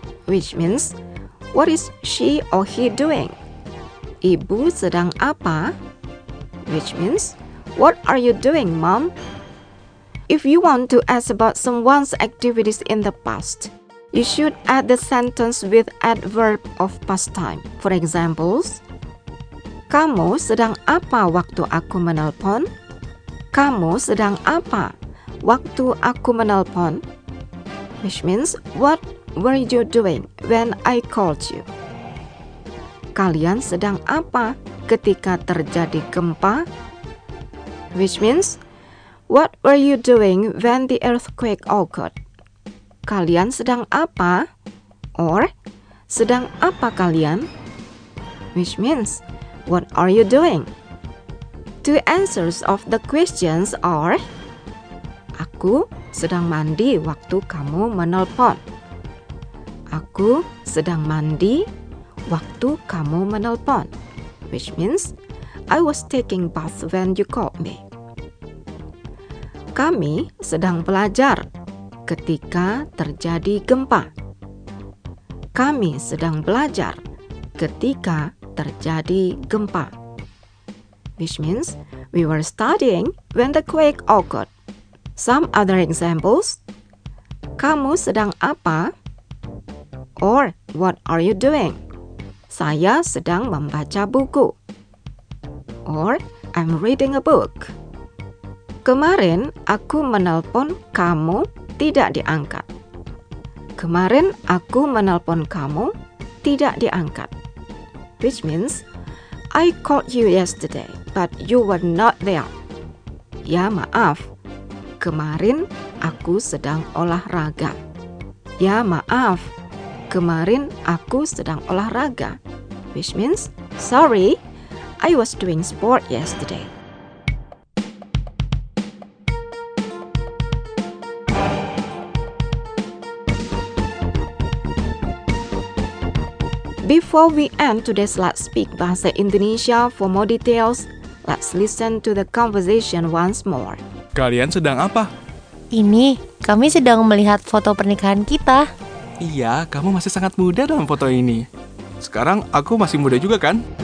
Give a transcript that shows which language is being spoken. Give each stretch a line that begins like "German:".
English: Which means, what is she or he doing?
Indonesian: Ibu sedang apa?
English: Which means, what are you doing, Mom? If you want to ask about someone's activities in the past, you should add the sentence with adverb of past time. For examples,
Indonesian: kamu sedang apa waktu aku menelpon? Kamu sedang apa waktu aku menelpon?
English: Which means, what were you doing when I called you?
Indonesian: Kalian sedang apa ketika terjadi gempa?
English: Which means, What were you doing when the earthquake occurred?
Indonesian: Kalian sedang apa?
English: Or,
Indonesian: sedang apa kalian?
English: Which means, what are you doing? Two answers of the questions are,
Indonesian: aku sedang mandi waktu kamu menelpon. Aku sedang mandi waktu kamu menelpon.
English: Which means, I was taking bath when you called me.
Indonesian: Kami sedang belajar ketika terjadi gempa. Kami sedang belajar ketika terjadi gempa.
English: Which means, we were studying when the quake occurred. Some other examples.
Indonesian: Kamu sedang apa?
English: Or, what are you doing?
Indonesian: Saya sedang membaca buku.
English: Or, I'm reading a book.
Indonesian: Kemarin, aku menelpon kamu tidak diangkat. Kemarin, aku menelpon kamu tidak diangkat.
English: Which means, I called you yesterday, but you were not there.
Indonesian: Ya, maaf. Kemarin, aku sedang olahraga. Ya, maaf. Kemarin, aku sedang olahraga.
English: Which means, sorry, I was doing sport yesterday. Before we end today's Let's Speak Bahasa Indonesia, for more details, let's listen to the conversation once more.
Indonesian: Kalian sedang apa? Ini, kami sedang melihat foto pernikahan kita. Iya, kamu masih sangat muda dalam foto ini. Sekarang aku masih muda juga kan?